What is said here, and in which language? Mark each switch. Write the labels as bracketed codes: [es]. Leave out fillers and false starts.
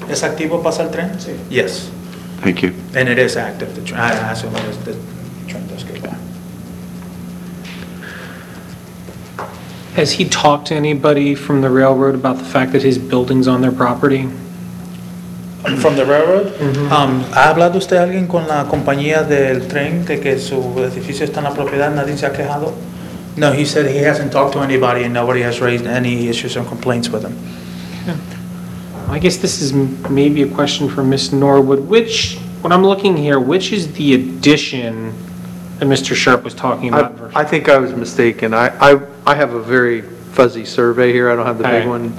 [es] ¿Es activo pasa el tren? Sí. [en] Yes. Thank you. And it is active. The train, I assume it is, the train does go by. Has he talked to anybody from the railroad about the fact that his building's on their property? From the railroad? Mm-hmm. [es] ¿Ha hablado usted alguien con la compañía del tren de que su edificio está en la propiedad? ¿Nadie se ha quejado? [en] No, he said he hasn't talked to anybody and nobody has raised any issues or complaints with him. Yeah. Well, I guess this is maybe a question for Ms. Norwood. Which, when I'm looking here, which is the addition that Mr. Sharp was talking about? I think I was mistaken. I have a very fuzzy survey here. I don't have the big one.